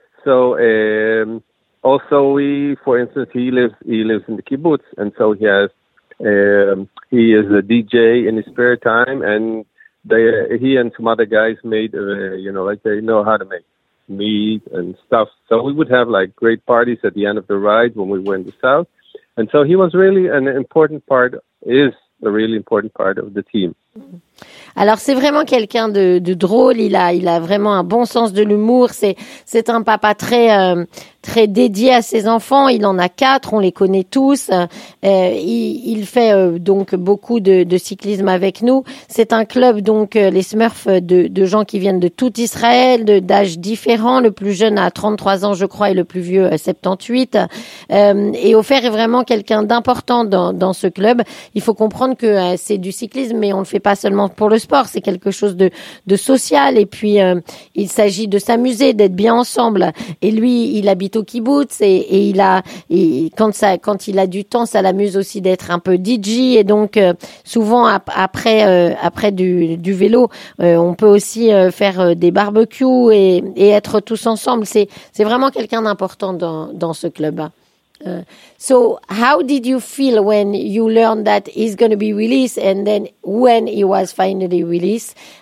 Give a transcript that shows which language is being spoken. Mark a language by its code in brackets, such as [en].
[en] So, he lives in the kibbutz, and so he has, he is a DJ in his spare time, and he and some other guys made, they know how to make. meat and stuff. So we would have like great parties at the end of the ride when we were in the south. And so he was really an important part, is a really important part of the team. [fr] Alors c'est vraiment quelqu'un de drôle, il a vraiment un bon sens de l'humour, c'est un papa très très dédié à ses enfants, il en a 4, on les connaît tous, il fait donc beaucoup de cyclisme avec nous, c'est un club donc les Smurfs de gens qui viennent de tout Israël, d'âge différent, le plus jeune a 33 ans je crois et le plus vieux 78, et Ofer est vraiment quelqu'un d'important dans ce club, il faut comprendre que c'est du cyclisme mais on le fait pas seulement pour le sport, c'est quelque chose de social et puis il s'agit de s'amuser, d'être bien ensemble et lui il habite au kibbutz et quand il a du temps ça l'amuse aussi d'être un peu DJ et donc souvent après du vélo on peut aussi faire des barbecues et être tous ensemble, c'est vraiment quelqu'un d'important dans ce club. [en] So how did you feel when you learned that he's going to be released and then when he was finally released?